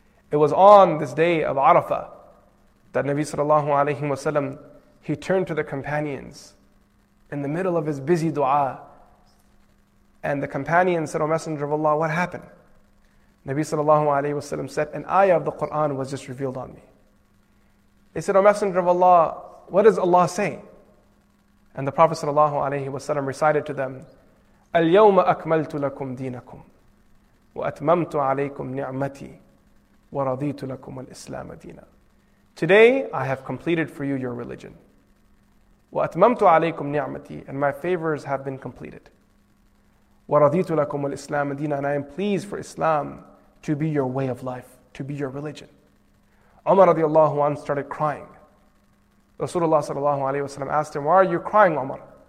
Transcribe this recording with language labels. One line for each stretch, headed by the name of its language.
English: It was on this day of Arafah that Nabi sallallahu alayhi wa sallam, he turned to the companions in the middle of his busy dua. And the companions said, O Messenger of Allah, what happened? Nabi sallallahu alayhi wa sallam said, an ayah of the Qur'an was just revealed on me. They said, O Messenger of Allah, what does Allah say? And the Prophet sallallahu alayhi wa sallam recited to them,
Arabic: اليوم أكملت لكم دينكم وأتممت عليكم نعمتي ورضيت لكم الإسلام دينا.
English: Today I have completed for you your religion.
Arabic: وأتممت عليكم نعمتي,
English: and my favors have been completed.
Arabic: ورضيت لكم الإسلام دينا,
English: and I am pleased for Islam to be your way of life, to be your religion. Umar
Arabic: رضي الله عنه
English: started crying. Rasulullah
Arabic: صلى الله عليه وسلم
English: asked him, why are you crying, Umar?